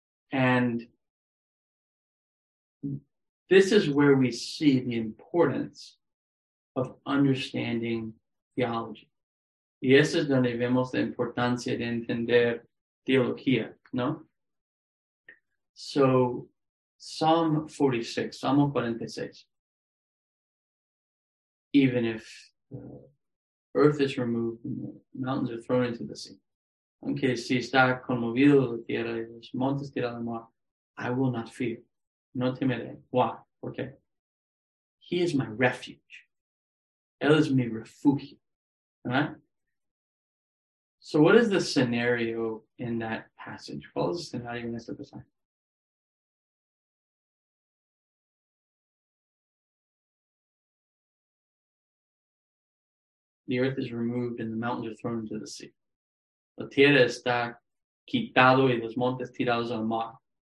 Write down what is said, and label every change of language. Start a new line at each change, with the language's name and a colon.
English: And this is where we see the importance of understanding theology.
Spanish: Y eso es donde vemos la importancia de entender teología, ¿no?
English: So, Psalm 46, Salmo 46. Even if earth is removed and the mountains are thrown into the sea.
Spanish: Aunque si está conmovido la tierra y los montes tirados al mar,
English: I will not fear.
Spanish: No temeré.
English: Why? Okay. He is my refuge.
Spanish: Él es mi refugio.
English: All right? So what is the scenario in that passage? What is the scenario in this passage? The earth is removed and the mountains are thrown into the sea.
Spanish: La tierra está quitado y los montes tirados al mar.